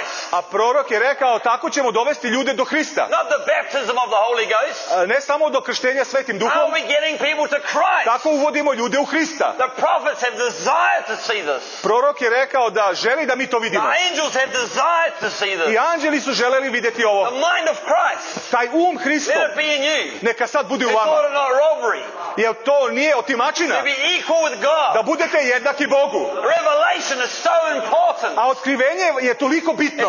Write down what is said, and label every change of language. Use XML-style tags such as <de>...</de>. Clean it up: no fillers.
<sr>A prorok je rekao, tako ćemo dovesti ljude do Hrista.</sr> <en>Not the baptism of the Holy Ghost.</en> <sr>Ne samo do krštenja Svetim Duhom.</sr> <en>Are we getting people to Christ?</en> <sr>Tako uvodimo ljude u Hrista.</sr> <en>The prophets have desired to see this.</en> <sr>Prorok je rekao da želi da mi to vidimo.</sr> <en>The angels have desired to see this.</en> <sr>I anđeli su želeli vidjeti ovo.</sr> <en>The mind of Christ.</en> <sr>Taj Hristo.</sr> <en>Let it be in you.</en> <sr>Neka sad bude u vama.</sr> <en>It's not a robbery.</en> <sr>Jer to nije otimačina.</sr> <en>To be equal with God.</en> <sr>Da budete jednaki Bogu.</sr> <en>Revelation is so important.</en> <sr>A otkrivenje je toliko bitno.</sr>